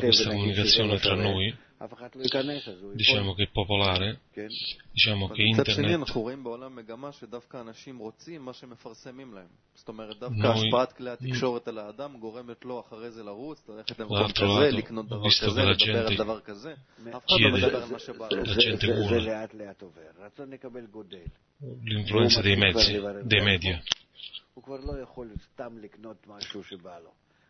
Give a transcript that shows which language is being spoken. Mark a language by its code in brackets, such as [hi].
[it] Questa comunicazione tra noi, diciamo che è popolare, diciamo che internet. [he] אנחנו רואים בעולם מגמה שדווקא אנשים רוצים מה שמפרסמים להם. זאת אומרת, דווקא השפעת כלי התקשורת על האדם גורמת לו אחרי זה לרוץ, ללכת למקום כזה, לקנות דבר כזה, לדבר על דבר כזה. אף אחד לא מדבר על מה שבא. זה לאט לאט עובר. רצון לקבל גודל. [it] L'influenza dei mezzi, dei media. [he] הוא כבר לא יכול סתם לקנות משהו שבא לו.